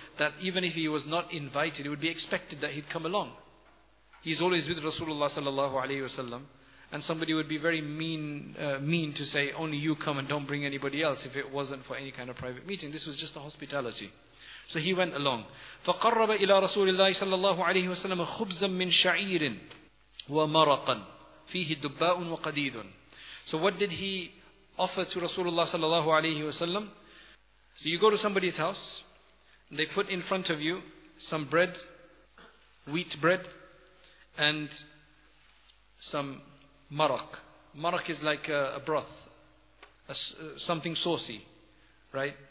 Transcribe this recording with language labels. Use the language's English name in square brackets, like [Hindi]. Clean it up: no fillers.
[English] That even if he was not invited, it would be expected that he'd come along. He's always with Rasulullah sallallahu alayhi wasallam. And somebody would be very mean to say, only you come and don't bring anybody else, if it wasn't for any kind of private meeting. This was just a hospitality. So he went along. [Arabic] فَقَرَّبَ إِلَىٰ رَسُولِ اللَّهِ صَلَّى اللَّهُ عَلَيْهِ وَسَلَّمَ خُبْزًا مِّن شَعِيرٍ وَمَرَقًا فِيهِ دُبَّاءٌ وَقَدِيدٌ [English] So what did he offer to Rasulullah sallallahu alayhi wasallam? So you go to somebody's house, and they put in front of you some bread, wheat bread, and some maraq. Maraq is like a broth, something saucy, right?